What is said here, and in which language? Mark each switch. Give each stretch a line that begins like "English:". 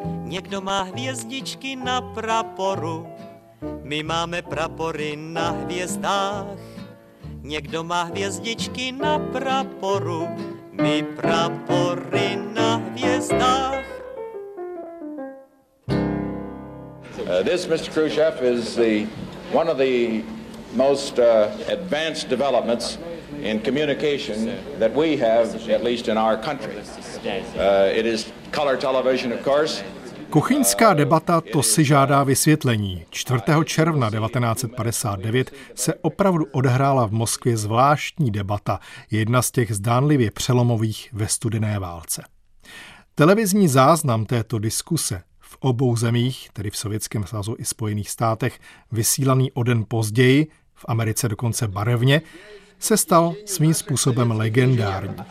Czech: někdo má hvězdičky na praporu, my máme prapory na hvězdách. Někdo má hvězdičky na praporu, my prapory na hvězdách.
English: This, Mr. Khrushchev, is the one of the most advanced developments in communication that we have, at least in our country. It is color television, of course.
Czech: Kuchyňská debata, to si žádá vysvětlení. 4. června 1959 se opravdu odehrála v Moskvě zvláštní debata, jedna z těch zdánlivě přelomových ve studené válce. Televizní záznam této diskuse v obou zemích, tedy v Sovětském svazu i Spojených státech, vysílaný o den později, v Americe dokonce barevně, se stal svým způsobem legendární.